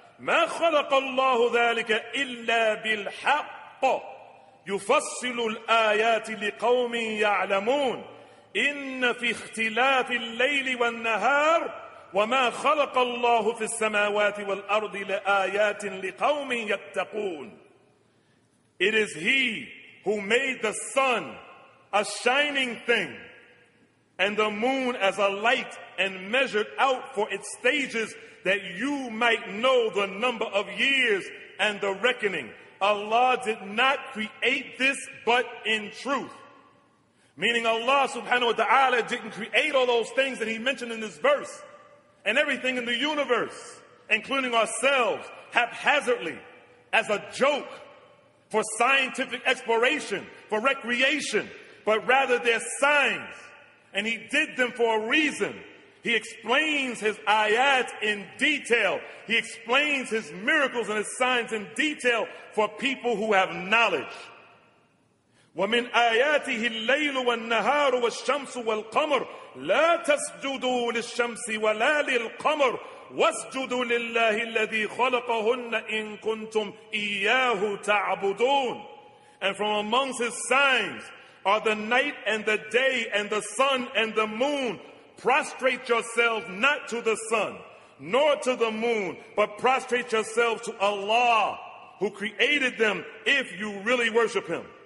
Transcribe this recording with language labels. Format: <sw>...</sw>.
<ar>ما خلق الله ذلك إلا بالحق يفصل الآيات لقوم يعلمون إن في اختلاف الليل والنهار وما خلق الله في السماوات والأرض لآيات لقوم يتقون.</ar> <en>It is He who made the sun a shining thing and the moon as a light and measured out for its stages that you might know the number of years and the reckoning. Allah did not create this but in truth. Meaning Allah subhanahu wa ta'ala didn't create all those things that He mentioned in this verse and everything in the universe, including ourselves, haphazardly as a joke for scientific exploration, for recreation, but rather they're signs. And He did them for a reason. He explains His ayat in detail. He explains His miracles and His signs in detail for people who have knowledge.</en> <ar>ومن آياته الليل والنهار والشمس والقمر لا تسجدوا للشمس ولا للقمر واسجدوا لله الذي خلقهن إن كنتم إياه تعبدون.</ar> <en>And from amongst his signs are the night and the day and the sun and the moon. Prostrate yourselves not to the sun nor to the moon, but prostrate yourselves to Allah who created them if you really worship him.</en>